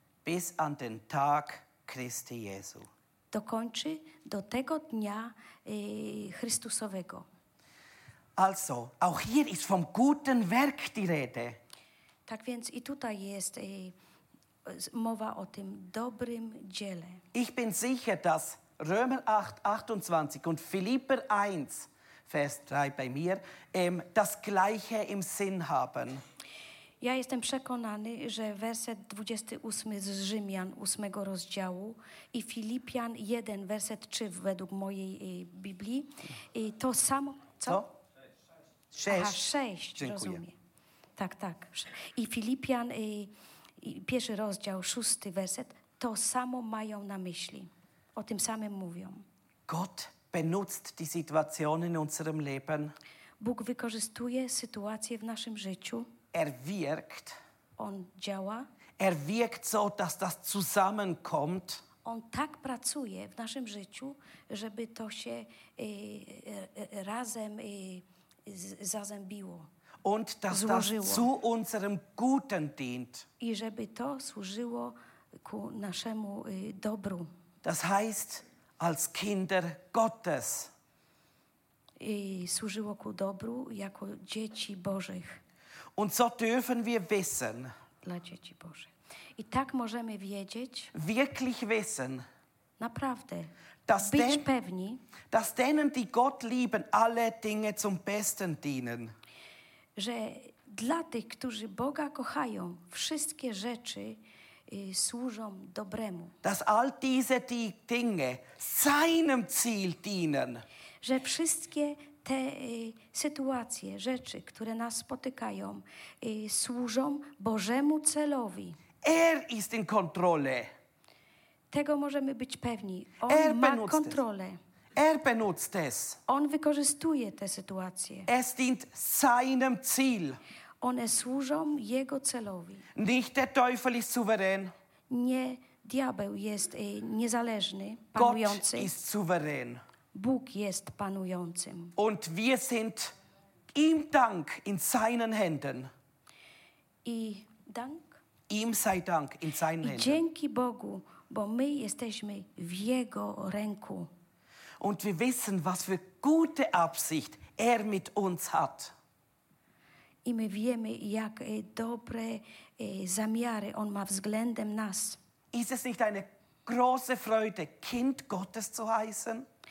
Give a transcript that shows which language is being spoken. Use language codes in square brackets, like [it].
[de] bis an den Tag Christi Jesu. [pl] Dokończy do tego dnia Chrystusowego. [de] Also, auch hier ist vom guten Werk die Rede. [pl] Tak więc i tutaj jest mowa o tym dobrym dziele. [de] Ich bin sicher, dass Römer 8, 28 und Philipper 1, Vers 3 bei mir, das Gleiche im Sinn haben. [pl] Ja jestem przekonany, że werset 28 z Rzymian 8 rozdziału i Filipian 1, werset 3 według mojej Biblii, to samo, co? 6. 6, rozumiem. Tak, tak. I Filipian, pierwszy rozdział, 6 werset, to samo mają na myśli. O tym samym mówią. [de] Gott benutzt die Situation in unserem Leben. [pl] Bóg wykorzystuje sytuację w naszym życiu. [de] Wirkt. [pl] On działa. [de] Wirkt so, dass das zusammenkommt. [pl] On tak pracuje w naszym życiu, żeby to się razem zazębiło. [de] Und dass das zu unserem Guten dient. [pl] I żeby to służyło ku naszemu dobru. [de] Das heißt, als Kinder Gottes. [pl] I służyło ku dobru jako dzieci Bożych. [de] Und so dürfen wir wissen. [pl] Dla dzieci Bożych. I tak możemy wiedzieć. [de] Wirklich wissen. [pl] Naprawdę. [de] Dass [pl] być pewni. [de] Dass denen, die Gott lieben, alle Dinge zum Besten dienen. [pl] Że dla tych, którzy Boga kochają, wszystkie rzeczy służą dobremu. [de] Dass all diese Dinge seinem Ziel dienen. [pl] Że wszystkie te sytuacje, rzeczy, które nas spotykają, służą Bożemu celowi. [de] Er ist in Kontrolle. [pl] Tego możemy być pewni. On ma kontrolę. [de] Benutzt es. [pl] On wykorzystuje te sytuacje. [de] Es dient seinem Ziel. [pl] One służą jego celowi. [de] Nicht der Teufel ist souverän. [pl] Nie diabeł jest niezależny, panujący. [de] Gott ist souverän. [pl] Bóg jest panującym. [de] Und wir sind ihm Dank in seinen Händen. [pl] I [de] Dank? Ihm sei Dank in seinen [pl] I [de] Händen. [pl] Dzięki Bogu, bo my jesteśmy w jego ręku. [de] Und wir wissen, was für gute Absicht mit uns hat. [pl] I my wiemy, jak dobre zamiary on ma względem nas. [de] Ist es nicht eine große Freude, Kind Gottes zu heißen?